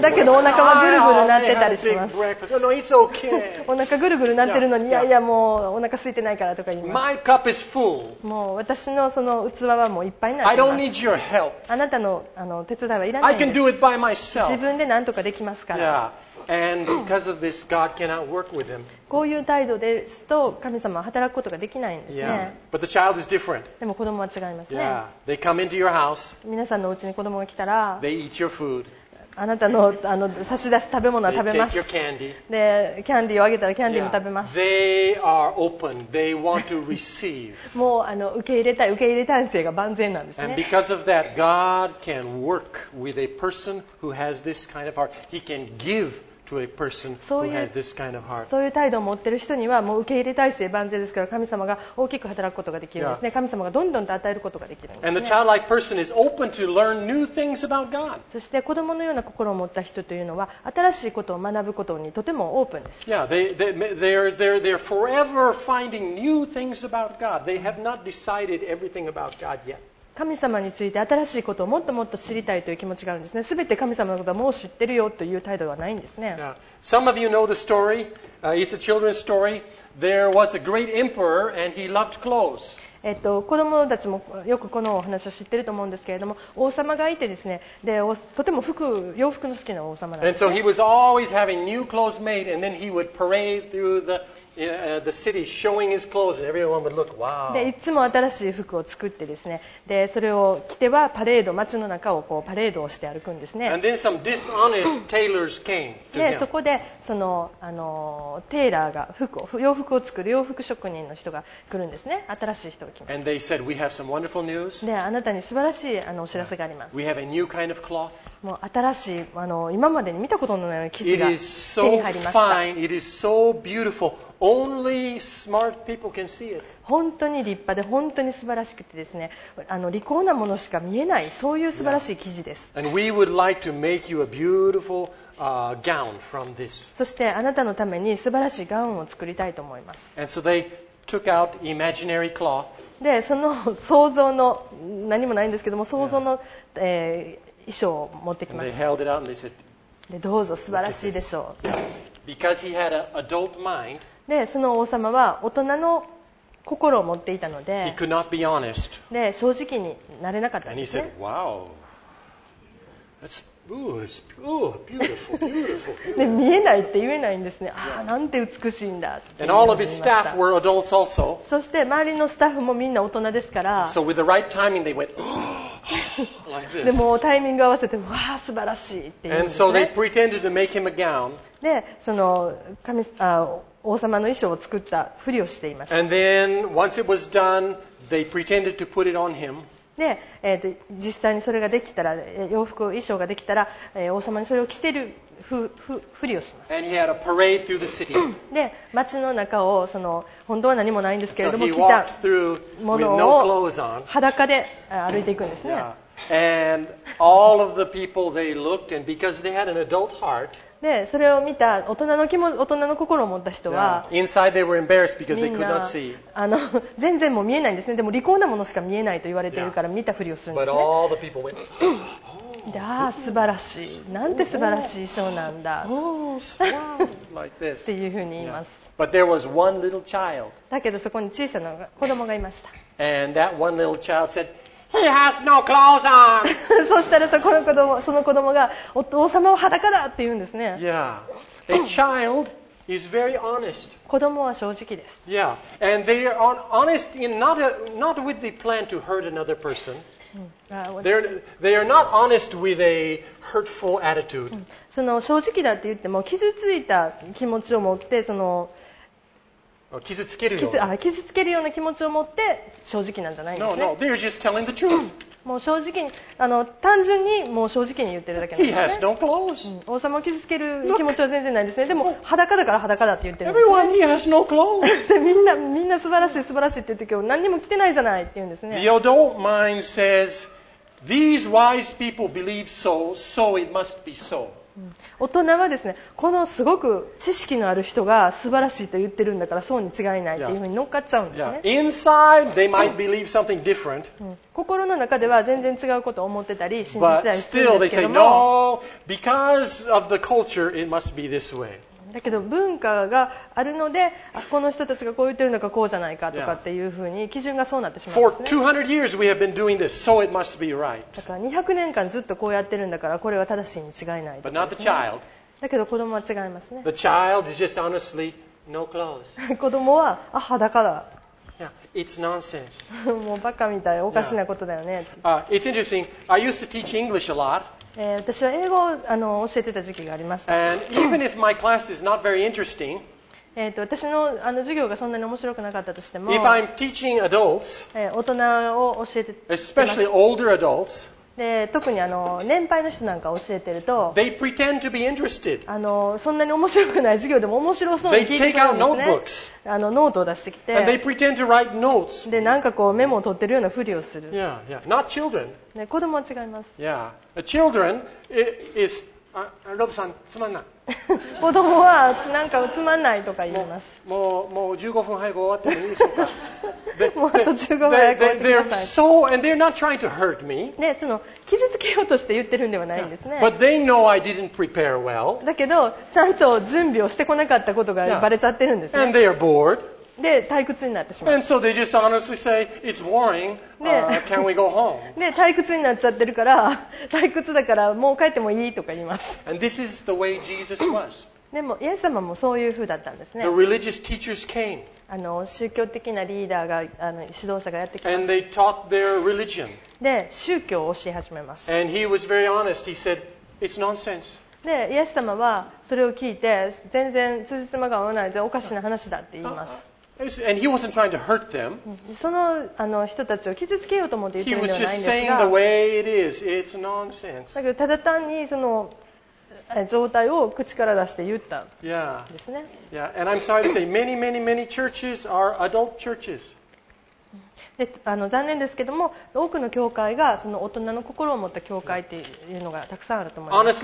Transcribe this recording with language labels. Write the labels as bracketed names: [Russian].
[Japanese] だけどお腹はぐるぐるなってたりします。 [English] Oh, no, [Japanese] お腹ぐるぐるなってるのに、yeah. いやいやもうお腹空いてないからとか言います。 [English] My cup is full. [Japanese] もう私のその器はもういっぱいになってます。 [English] I don't need your help. [Japanese] あなた の手伝いはいらないです。 [English] I can do it by myself. [Japanese] 自分で何とかできますから。 [English] Yeah. And because of this, God cannot work with him. [Japanese] こういう態度ですと神様は働くことができないんですね。 [English] Yeah. But the child is different. [Japanese] でも子供は違いますね。 [English] Yeah. They come into your house. [Japanese] 皆さんのお家に子供が来たら、 [English] They eat your food. [Japanese] あなた の, 差し出す食べ物は食べます。 [English] They take your candy. [Japanese] で、キャンディーをあげたらキャンディーも食べます。 [English] Yeah. They are open. They want to receive. [Japanese] もう受け入れたい、受け入れ体制が万全なんですね。 [English] And because of that, God can work with a person who has this kind of heart. He can give. [Japanese] そういう態度を持っている人にはもう受け入れ体制万全ですから神様が大きく働くことができるんですね、yeah. 神様がどんどんと与えることができるんですね。そして子供のような心を持った人というのは新しいことを学ぶことにとてもオープンです。 [English] yeah, they're forever finding new things about God. They have not decided everything about God yet. [Japanese] 神様について新しいことをもっともっと知りたいという気持ちがあるんですね。すべて神様のことはもう知ってるよという態度はないんですね。 [English] Yeah. Some of you know the story. It's a children's story. There was a great emperor and he loved clothes. [Japanese] 子どもたちもよくこのお話を知ってると思うんですけれども、王様がいてですね、でとても服、洋服の好きな王様なんですね。 [English] And so he was always having new clothes made and then he would parade through theThe city showing his clothes, and everyone would look, wow. [Japanese] でいつも新しい服を作ってですね、でそれを着てはパレード、街の中をこうパレードをして歩くんですね。 [English] And then some dishonest tailors came to him. [Japanese] でそこでそのテーラーが服を洋服を作る洋服職人の人が来るんですね。新しい人が来ます。 [English] And they said, we have some wonderful news. [Japanese] であなたに素晴らしいお知らせがあります。 [English] We have a new kind of cloth. [Japanese] もう新しい今までに見たことのない生地が手に入りました。 [English] It is so fine. It is so beautiful. Only smart people can see it. [Japanese] 本当に立派で本当に素晴らしくてですね、利口なものしか見えない、そういう素晴らしい生地です。 [English] And we would like to make you a beautiful, gown from this. [Japanese] そしてあなたのために素晴らしいガウンを作りたいと思います。 [English] And so they took out imaginary cloth. [Japanese] で、その想像の、何もないんですけども、想像の、衣装を持ってきました。 [English] And they held it out and they said, [Japanese] で、どうぞ素晴らしいでしょう。 [English] Because he had an adult mind, [Japanese] でその王様は大人の心を持っていたの で, [English] He could not be honest. [Japanese] で正直になれなかったんですね。 [English] And he said, wow, that's, ooh, it's, ooh, beautiful, beautiful. [Japanese] 見えないって言えないんですね。ああ、なんて美しいんだって。 [English] And all of his staff were adults also. [Japanese] そして周りのスタッフもみんな大人ですから。 [English] So with the right timing, they went, oh! [Japanese] でもタイミング合わせて、わあ素晴らしいって言うんですね。 [English] And so they pretended to make him a gown. [Japanese] で、その神あ王様の衣装を作ったふりをしていました。 [English] And then once it was done, they pretended to put it on him. [Japanese] で実際にそれができたら洋服衣装ができたら王様にそれを着せるふりをします。 [English] And he had a parade through the city. [Japanese] で街の中をその本当は何もないんですけれども着たものを裸で歩いていくんですね。 [English] And all of the people they looked and because they had an adult heart. [Japanese] でそれを見た大人の心を持った人は、 [English] Inside they were embarrassed because they could not see. [Japanese] あの全然もう見えないんですね。でも利口なものしか見えないと言われているから見たふりをするんですね。 [English] But all the people went, [Japanese] で、ああ素晴らしい、なんて素晴らしい衣装なんだ、 [English] like this. [Japanese] っていうふうに言います。 [English] Yeah. But there was one little child. [Japanese] だけどそこに小さな子供がいました。 [English] And that one little child said,He has no clothes on. [Japanese] そしたらその子供が王様は裸だって言うんですね。 [English] Yeah. A child is very honest. [Japanese] 子供は正直です。 [English] Yeah. And they are honest in not with the plan to hurt another person. They are not honest with a hurtful attitude. [Japanese] その正直だって言っても傷ついた気持ちを持ってその傷つけるような気持ちを持って正直なんじゃないんですね。 [English] No, no, they're just telling the truth. [Japanese] もう正直に単純にもう正直に言ってるだけなんですね。 [English] He has no clothes. [Japanese] 王様を傷つける気持ちは全然ないですね。でも裸だから裸だって言ってるんですね。 [English] Everyone, he has no clothes. [Japanese] みんな素晴らしい素晴らしいって言ってるけど何にも着てないじゃないって言うんですね。 [English] The adult mind says, these wise people believe so, so it must be so. [Japanese] 大人はですね、このすごく知識のある人が素晴らしいと言ってるんだからそうに違いないっていうふうに乗っかっちゃうんですね。 [English] yeah. Inside, they might believe something different. [Japanese] 心の中では全然違うことを思ってたり信じてたりするんですけども [English] But still they say, no, because of the culture, it must be this way. [Japanese] だけど文化があるのでこの人たちがこう言ってるのかこうじゃないかとかっていうふうに基準がそうなってしまうんですね。 [English] For 200 years we have been doing this, so it must be right. [Japanese] だから200年間ずっとこうやってるんだからこれは正しいに違いないですね。 [English] But not the child. [Japanese] だけど子供は違いますね。 [English] The child is just honestly no clothes. [Japanese] 子供は裸だ。 [English] Yeah, it's nonsense. [Japanese] もうバカみたい、おかしなことだよね。 [English] It's interesting. I used to teach English a lot. [Japanese] 私は英語を教えてた時期がありました。 [English] And even if my class is not very interesting, [Japanese] 私の授業がそんなに面白くなかったとしても、 [English] if I'm teaching adults, [Japanese] 大人を教えて、 [English] especially older adults, [Japanese] で特に年配の人なんかを教えてると、 [English] they pretend to be interested. [Japanese] そんなに面白くない授業でも面白そうに聞いてくるんですね。 [English] They take out notebooks. [Japanese] ノートを出してきて、 [English] and they pretend to write notes. [Japanese] でなんかこうメモを取ってるようなふりをする。 [English] Yeah, yeah, not children. [Japanese] ね、子供は違います。 [English] Yeah. Children is, ロブさん、 [Japanese] つまんない。子供はなんかつまんないとか言います。もう15分早く終わってもいいでしょうか。もうあと15分早く終わってください。 [English] So, and they're not trying to hurt me. [Japanese] ね、その傷つけようとして言ってるんではないんですね。 [English] Yeah. But they know I didn't prepare well. [Japanese] だけど、ちゃんと準備をしてこなかったことがバレちゃってるんですね。 [English] Yeah. And they are bored. [Japanese] で退屈になってしまう。 [English] And so they just honestly say, it's boring. Can we go home? [Japanese] で退屈になっちゃってるから、退屈だからもう帰ってもいいとか言います。 [English] And this is the way Jesus was. [Japanese] でもイエス様もそういう風だったんですね。 [English] The religious teachers came. [Japanese] 宗教的なリーダーが指導者がやってきます。 [English] And they taught their religion. [Japanese] で宗教を教え始めます。 [English] And he was very honest. He said, it's nonsense. [Japanese] でイエス様はそれを聞いて全然つじつまが合わないでおかしな話だって言います。 [English] And he wasn't trying to hurt them. [Japanese] その人たちを傷つけようと思って言ってるんではないんですが。 [English] He was just saying the way it is. It's nonsense. [Japanese] だけどただ単にその状態を口から出して言ったんですね。 [English] Yeah. Yeah. And I'm sorry to say, many, many, many churches are adult churches. [Japanese] で残念ですけども多くの教会がその大人の心を持った教会っていうのがたくさんあると思います。